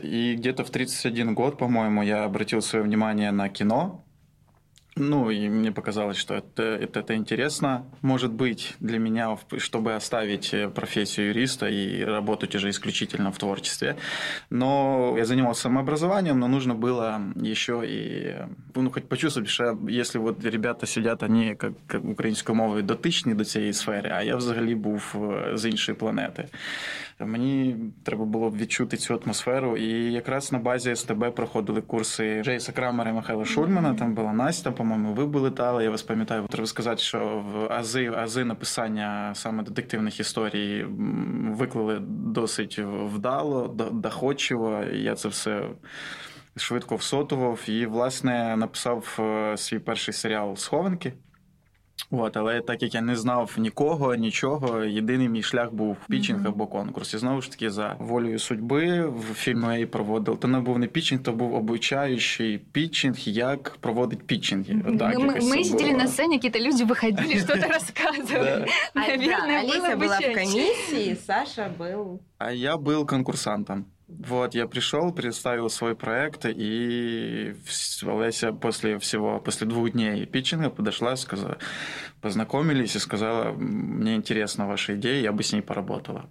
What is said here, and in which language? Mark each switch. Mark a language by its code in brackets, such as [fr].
[ru] И где-то в 31 год, по-моему, я обратил свое внимание на кино. Ну, и мне показалось, что это интересно, может быть, для меня, чтобы оставить профессию юриста и работать уже исключительно в творчестве. Но я занимался самообразованием, но нужно было еще и... Ну, хоть почувствовать, что если вот ребята сидят, они, как украинской мовой, [uk] дотичні до цієї сфери, а я взагалі був з іншої планети. Мені треба було відчути цю атмосферу. І якраз на базі СТБ проходили курси Джейса Крамера і Михайла Шульмана, там була Настя, по-моєму, ви були дали. Я вас пам'ятаю, треба сказати, що в ази написання саме детективних історій виклали досить вдало, доходчиво. Я це все швидко всотував. І, власне, написав свій перший серіал «Схованки». От, але так як я не знав нікого, нічого, єдиний мій шлях був пітчинг mm-hmm. або конкурс. І знову ж таки, за волею судьби в фільмі «Ей» проводив. То не був не пітчинг, то був обучаючий пітчинг, як проводить пітчинги. Mm-hmm. Так, ми сиділи на сцені, які-то люди виходили, щось розказували. Аліся була в комісії, Саша був... А я був конкурсантом. [ru] Вот, я пришел, представил свой проект, и Олеся после двух дней питчинга подошла, познакомились и сказала, мне интересна ваша идея, я бы с ней поработала.